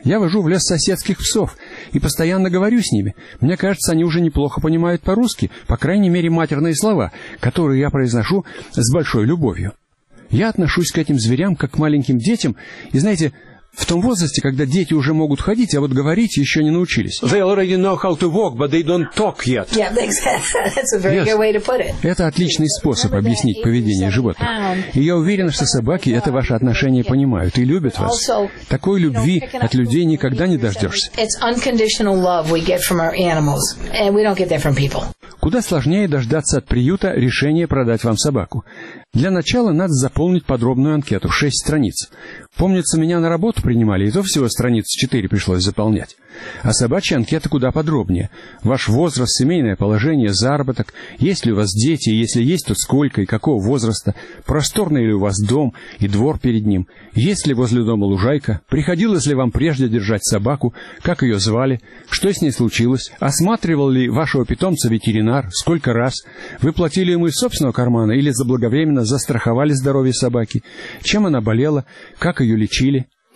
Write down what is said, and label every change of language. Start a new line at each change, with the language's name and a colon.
Russian: Я вожу в лес соседских псов и постоянно говорю с ними. Мне кажется, они уже неплохо понимают по-русски, по крайней мере, матерные слова, которые я произношу с большой любовью. Я отношусь к этим зверям как к маленьким детям, и знаете, в том возрасте, когда дети уже могут ходить, а вот говорить еще не научились.
English: They already know how to walk, but they don't talk yet. Yeah, that's a very good way to put it.
Russian: Это отличный способ объяснить поведение животных. И я уверен, что собаки это ваше отношение понимают и любят вас. Такой любви от людей никогда не дождешься.
English: It's unconditional love we get from our animals, and we don't get that from people.
Russian: Куда сложнее дождаться от приюта решения продать вам собаку. Для начала надо заполнить подробную анкету, 6 страниц. Помнится, меня на работу принимали, и то всего страниц 4 пришлось заполнять. А собачьи анкеты куда подробнее. Ваш возраст, семейное положение, заработок, есть ли у вас дети, если есть, то сколько и какого возраста, просторный ли у вас дом и двор перед ним, есть ли возле дома лужайка, приходилось ли вам прежде держать собаку, как ее звали, что с ней случилось, осматривал ли вашего питомца ветеринар, сколько раз, вы платили ему из собственного кармана или заблаговременно застраховали здоровье собаки, чем она болела, как ее лечили.